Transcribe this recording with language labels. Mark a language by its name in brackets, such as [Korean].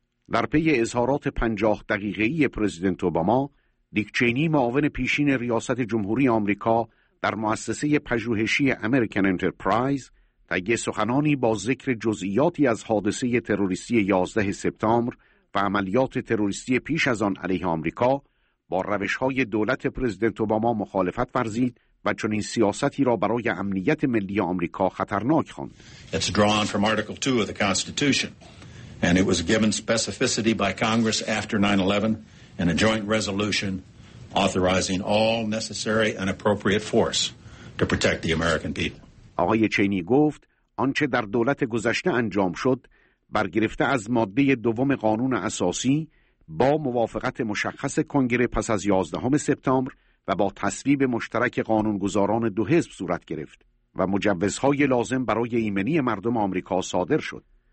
[Persian] در پی اظهارات 50 دقیقه‌ای پرزیدنت اوباما، دیک چینی معاون پیشین ریاست جمهوری آمریکا در مؤسسه پژوهشی امریکن انترپرایز تا یه سخنانی با ذکر جزئیاتی از حادثه تروریستی 11 سپتامبر و عملیات تروریستی پیش از آن علیه آمریکا با روش‌های دولت پرزیدنت اوباما مخالفت ورزید و چنین سیاستی را برای امنیت ملی آمریکا خطرناک خواند. [English] It's drawn from Article 2 of the Constitution. And it was given specificity by Congress after 9/11 in a joint resolution authorizing all necessary and appropriate force to protect the American people. [Persian] آقای چینی گفت آنچه در دولت گذشته انجام شد برگرفته از ماده دوم قانون اساسی با موافقت مشخص کنگره پس از 11 سپتامبر و با تصویب مشترک قانونگذاران دو حزب صورت گرفت و مجوزهای لازم برای ایمنی مردم آمریکا صادر شد.